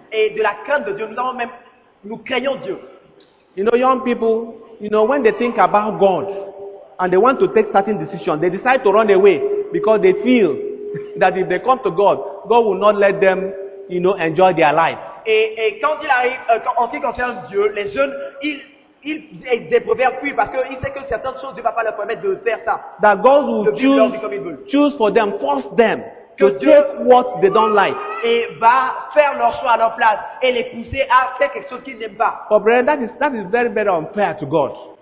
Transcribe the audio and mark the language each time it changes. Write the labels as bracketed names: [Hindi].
[French] Et de la crainte de Dieu, nous avons même, nous craignons Dieu. [English] You know, young people, you know, when they think about God and they want to take certain decisions, they decide to run away because they feel that if they come to God, God will not let them, you know, enjoy their life. [French] Et quand il arrive, en ce qui concerne Dieu, les jeunes, il est éprouvé puis parce qu'il sait que certaines choses ne va pas leur permettre de faire ça. [English] That God will choose for them, force them [French] que [English] to take what they don't like. [French] Et va faire leur choix à leur place et les pousser à faire quelque chose qu'ils n'aiment pas. [English] But brethren, that is very, very unfair to God.